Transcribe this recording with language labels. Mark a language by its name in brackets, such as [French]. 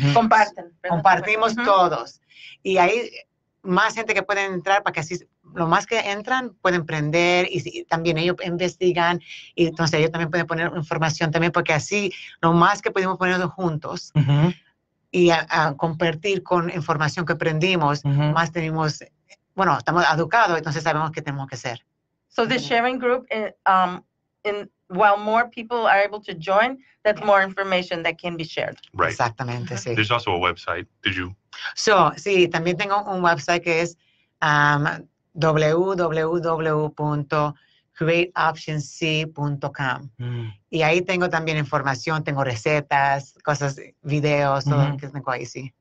[Spanish] Compartimos todos. Y ahí más gente que puede entrar para que así, lo más que entran, pueden aprender y también ellos investigan. Y entonces ellos también pueden poner información también porque así, lo más que pudimos ponerlo juntos, y a compartir con información que aprendimos, más tenemos, bueno, estamos educados, entonces sabemos qué tenemos que hacer. [English] So the sharing group, while more people are able to join, that's more information that can be shared. Right. [Spanish] Exactamente, sí. [English] There's also a website, did you? [Spanish] So, sí, también tengo un website que es www.createoptionc.com. Y ahí tengo también información, tengo recetas, cosas, videos, todo lo que tengo ahí, sí.